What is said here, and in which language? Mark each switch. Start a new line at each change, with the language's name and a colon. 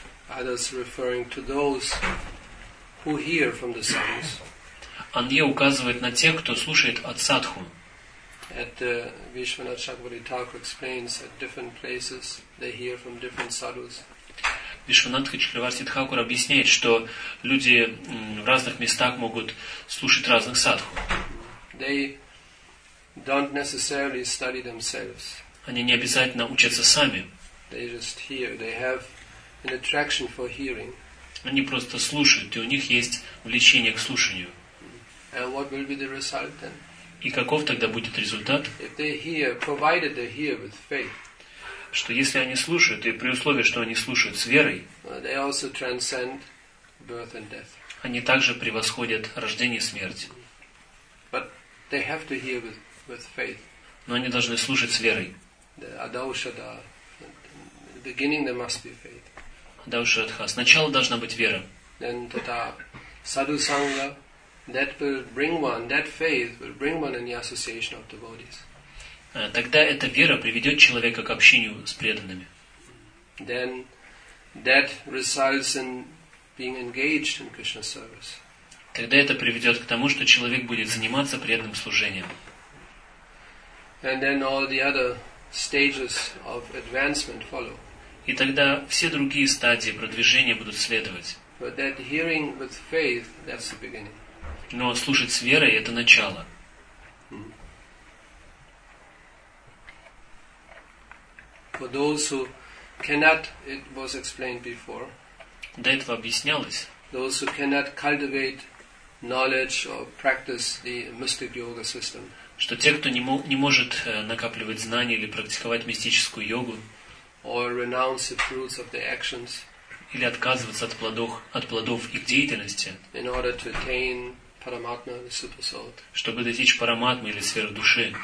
English: Others referring to those who hear from the sadhus.
Russian: Anye указывает на тех, кто слушает от садху.
English: Vishwanath Chakravarti Thakur explains at different places they hear from different sadhus.
Russian: Вишванатха Чакраварти Тхакур объясняет, что люди в разных местах могут слушать разных садху.
English: They don't necessarily study themselves.
Russian: Они не обязательно учатся сами.
English: They just hear. They have an attraction for hearing.
Russian: Они просто слушают, и у них есть влечение к слушанию.
English: And what will be the result then?
Russian: И каков тогда будет результат?
English: If they hear, provided they hear with faith.
Russian: Что если они слушают, и при условии, что они слушают с верой,
English: they also transcend birth and death.
Russian: Они также превосходят рождение и смерть.
English: But they have to hear with faith.
Russian: Но они должны слушать с верой.
English: The beginning there must be faith. Адаушадха.
Russian: Сначала должна быть вера.
English: Then
Sanskrit: tata sadhu sangha
English: that will bring one, that faith will bring one in the association of devotees.
Russian: Тогда эта вера приведет человека к общению с преданными.
English: Then that results in being engaged in Krishna service.
Russian: Тогда это приведет к тому, что человек будет заниматься преданным служением.
English: And then all the other stages of advancement follow.
Russian: И тогда все другие стадии продвижения будут следовать.
English: But that hearing with faith, that's the beginning.
Russian: Но слушать с верой — это начало.
English: For those who cannot, it was explained before.
Russian: До этого объяснялось.
English: Those who cannot cultivate knowledge or practice the mystic yoga system.
Russian: Что те, кто не может накапливать знания или практиковать мистическую йогу.
English: Or renounce the fruits of their actions.
Russian: Или отказываться от плодов их деятельности.
English: In order to attain Paramatma, the super soul.
Russian: Чтобы достичь параматмы или сферы души.